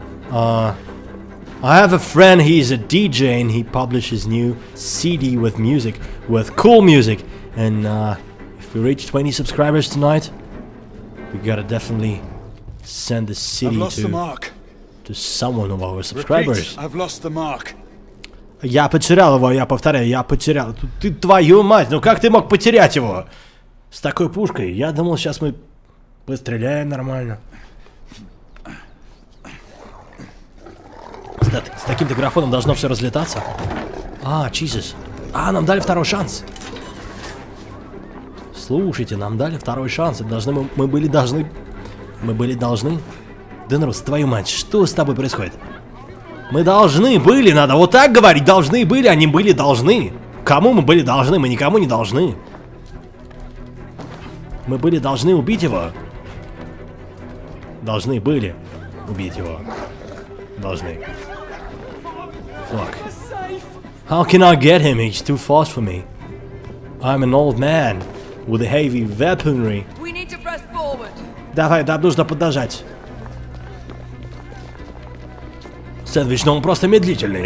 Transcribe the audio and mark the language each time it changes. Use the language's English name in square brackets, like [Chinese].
[English] I have a friend, he's a DJ, and he publishes new CD with music, with cool music, and if we reach 20 subscribers tonight, we gotta definitely send the city to someone of our subscribers. Repeat, I've lost the mark. [Russian] Я потерял его, я повторяю, я потерял. Ты твою мать, ну как ты мог потерять его? С такой пушкой, я думал, сейчас мы постреляем нормально. С таким графоном должно все разлетаться. А, Jesus. А, нам дали второй шанс. Слушайте, нам дали второй шанс. Мы были должны. Денрус, твою мать, что с тобой происходит? Мы должны были, надо вот так говорить. Должны были, они были должны. Кому мы были должны? Мы никому не должны. Мы были должны убить его. Должны были убить его. Должны. [English] Fuck. How can I get him? He's too fast for me. I'm an old man with a heavy weaponry. We need to press forward. [Russian] Давай, да, нужно подождать. Сэндвич, ну он просто медлительный.